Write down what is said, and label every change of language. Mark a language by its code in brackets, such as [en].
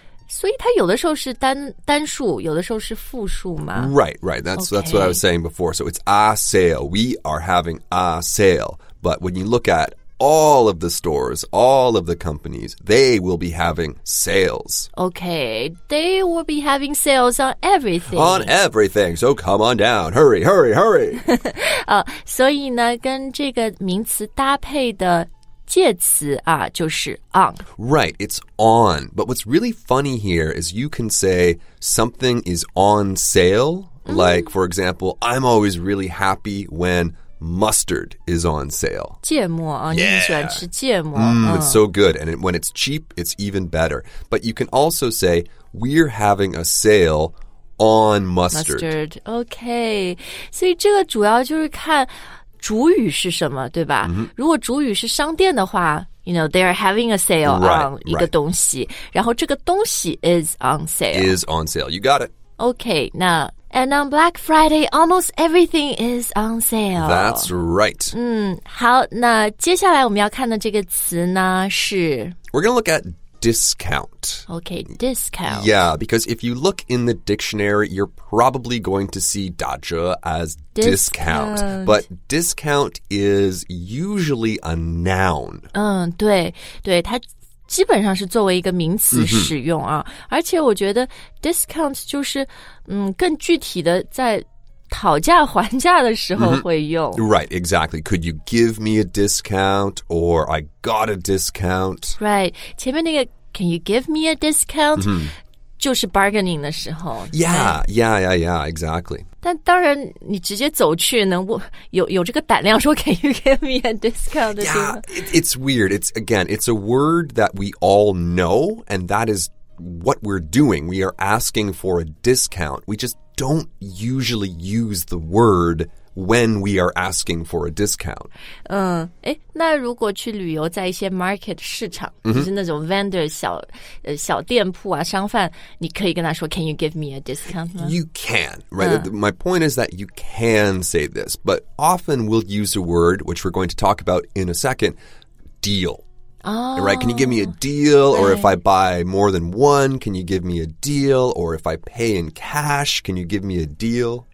[zh] 所以它有的时候是单数，有的时候是复数吗？ [en] Right. That's what I was saying before. So it's a sale. We are having a sale. But when you look at all of the stores, all of the companies, they will be having sales. Okay. They will be having sales on everything. On everything. So come on down. Hurry. [zh] 所以呢，跟这个名词搭配的介词啊，就是 on. [en] Right, it's on. But what's really funny here is you can say something is on sale. Like, for example, I'm always really happy when mustard is on sale. [zh] 芥末啊，你很喜欢吃芥末。 [en] It's so good. And when it's cheap, it's even better. But you can also say we're having a sale on mustard. Okay. [zh] 所以这个主要就是看主语是什么，对吧？如果主语是商店的话， [en] you know, they are having a sale on [zh] 一个东西，然后这个东西 [en] is on sale. You got it. Okay, now, and on Black Friday, almost everything is on sale. That's right. [zh] 好，那接下来我们要看的这个词呢是 [en] We're going to look at discount. Okay, discount. Yeah, because if you look in the dictionary, you're probably going to see 打折 as discount. But discount is usually a noun. [zh] 对，它基本上是作为一个名词使用啊。而且我觉得 discount 就是更具体的在讨价还价的时候会用。 [en] Right, exactly. Could you give me a discount? Or I got a discount. Right. [zh] 前面那个 [en] can you give me a discount? [zh] 就是 bargaining 的时候。 [en] Yeah, exactly. [zh] 但当然你直接走去能有这个胆量说 [en] can you give me a discount? It's weird. It's a word that we all know, and that is what we're doing. We are asking for a discount. We just... don't usually use the word when we are asking for a discount. [zh] 那如果去旅游在一些 market 市场、就是那种 vendor 小店铺啊商贩，你可以跟他说 [en] can you give me a discount? You can, right?、My point is that you can say this, but often we'll use a word, which we're going to talk about in a second, deal. Right, can you give me a deal? Or if I buy more than one, can you give me a deal? Or if I pay in cash, can you give me a deal?